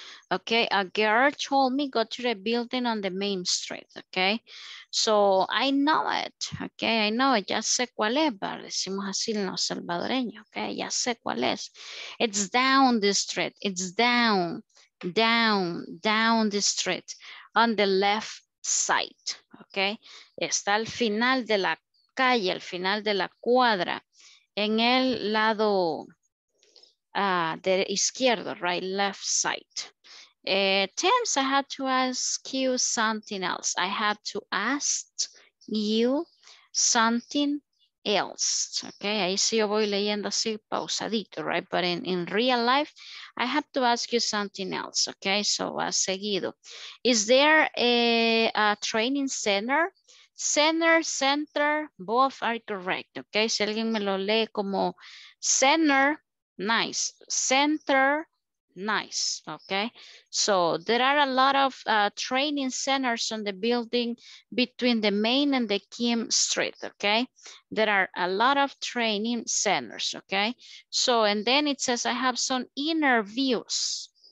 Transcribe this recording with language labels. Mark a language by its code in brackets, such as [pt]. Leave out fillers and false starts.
[en] okay, a girl told me go to the building on the main street, okay, so I know it, okay, I know it, [es] ya sé cuál es, pero decimos así en los salvadoreños, [en] okay, ya sé cuál es, it's down the street, it's down, down, down the street, on the left side, okay? [es] Está al final de la calle, al final de la cuadra, en el lado de izquierdo, right, [en] left side. Tams, I had to ask you something else. I had to ask you something else, okay? [es] Ahí sí yo voy leyendo así pausadito, right? [en] But in real life, I have to ask you something else, okay? So, [es] seguido. [en] Is there a training center? Center, center, both are correct, okay? [es] Si alguien me lo lee como center, nice. [en] Center, nice, okay? So, there are a lot of training centers on the building between the main and the Kim Street, okay? There are a lot of training centers, okay? So, and then it says, I have some inner views.